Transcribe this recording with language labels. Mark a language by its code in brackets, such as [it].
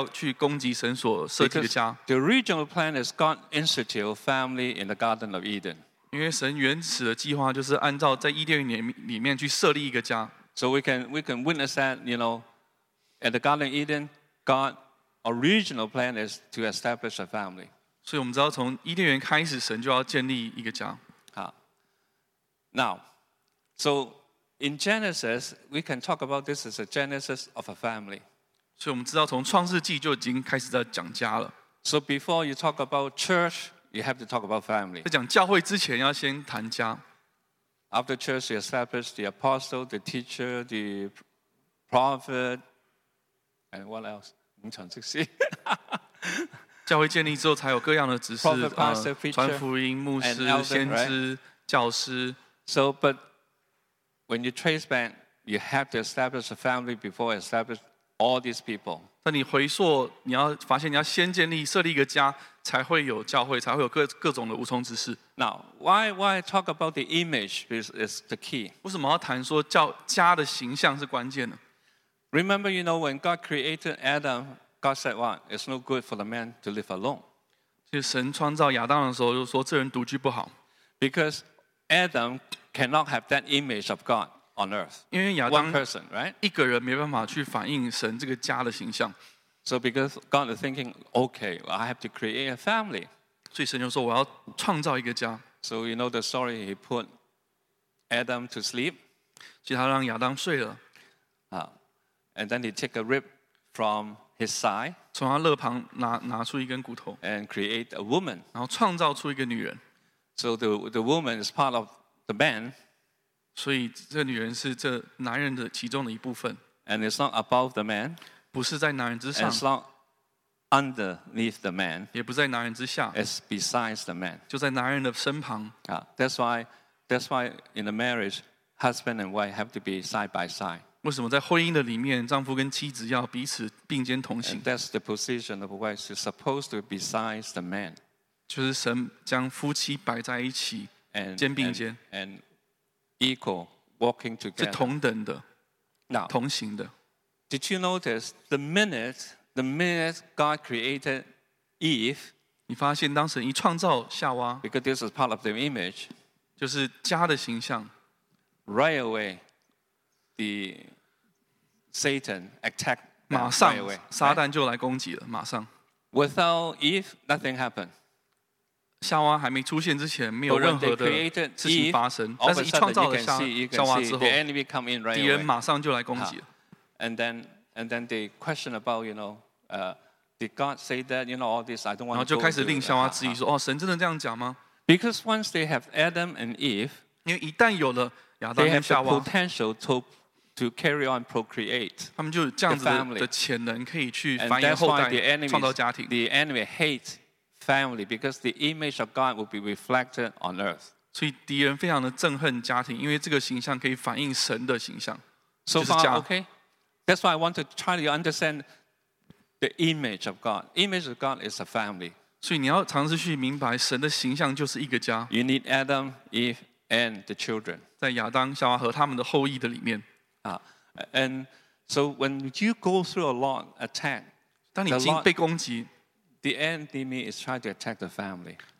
[zh] 这不是随机发生，因为这是很刻意要去攻击神所设计的家。 [en] The original plan is God institute family in the Garden of Eden. [zh] 因为神原始的计划就是按照在伊甸园里面去设立一个家。 [en] So we can witness that, you know, at the Garden of Eden, God's original plan is to establish a family. [zh] 所以我们知道，从伊甸园开始，神就要建立一个家。好， [en] Now, so in Genesis, we can talk about this as a genesis of a family. [zh] 所以我们知道，从创世纪就已经开始在讲家了。 [en] So before you talk about church, you have to talk about family. [zh] 在讲教会之前，要先谈家。 [en] After church, you establish the apostle, the teacher, the prophet, and what else? [zh] 五常这些。教会建立之后才有各样的职事 传福音、牧师、先知、教师 [en] So, but when you trace back, you have to establish a family before establish all these people. [zh] 当你回溯，你要发现，你要先建立设立一个家。才会有教会，才会有各种的无从之事。 [en] Now, why talk about the image is the key? [zh] 为什么要谈说家的形象是关键呢？ [en] Remember, you know, when God created Adam, God said, "What? It's no good for the man to live alone." [zh] 其实神创造亚当的时候，就说这人独居不好。 [en] Because Adam cannot have that image of God on earth. [zh] 因为亚当 [en] one person, right? [zh] 一个人没办法去反映神这个家的形象。 [en] So because God is thinking, okay, well, I have to create a family. [zh] 所以神就说我要创造一个家。 [en] So you know the story, he put Adam to sleep. [zh] 所以他让亚当睡了。 [en] And then he took a rib from his side. [zh] 从他肋旁拿出一根骨头。 [en] And create a woman. [zh] 然后创造出一个女人。 [en] So the woman is part of the man. [zh] 所以这女人是这男人的其中的一部分。 [en] And it's not above the man. [zh] 不是在男人之上, [en] it's not underneath the man. [zh] 也不在男人之下, [en] it's besides the man. [zh] 就在男人的身旁, [en] that's why in a marriage, husband and wife have to be side by side. [zh] 为什么在婚姻的里面, 丈夫跟妻子要彼此并肩同行? [en] And that's the position of a wife. She's supposed to be beside the man. [zh] 就是神将夫妻摆在一起, [en] and, [zh] 肩并肩, [en] and equal, walking together. [zh] 是同等的, [en] now, [zh] 同行的。 [en] Did you notice the minute God created Eve? [zh] 你发现当神一创造夏娃, [en] because this is part of the image, [zh] 就是家的形象, [en] right away, the Satan attacked. [zh] 马上, [en] right away, [zh] 撒旦就来攻击了, 马上. [en] Without Eve, nothing happened. [zh] 夏娃还没出现之前, 没有任何的事情发生, [en] Eve, [zh] 但是一创造了夏, [en] you can see, [zh] 夏娃之后, [en] the enemy come in right [zh] 敌人马上就来攻击了。 [en] And then they question about, you know, did God say that, you know, all this, I don't want to go. [zh] 然后就开始令夏娃质疑说, 哦, 神真的这样讲吗? [en] Because once they have Adam and Eve, [zh] 因为一旦有了亚当和夏娃, [en] they have the potential to carry on procreate the family. [zh] 他们就有这样子的潜能可以去繁衍后代, [en] and that's why the enemy hates family, because the image of God will be reflected on earth. [zh] 所以敌人非常的憎恨家庭, 因为这个形象可以反映神的形象, [en] so far, okay? That's why I want to try to understand the image of God. Image of God is a family. [zh] 所以你要尝试去明白神的形象就是一个家。 [en] You need Adam, Eve, and the children. [zh] 在亚当、夏娃和他们的后裔的里面。 [en] And so when you go through a long attack, [zh] 当你已经被攻击, [en] the enemy is trying to attack the family.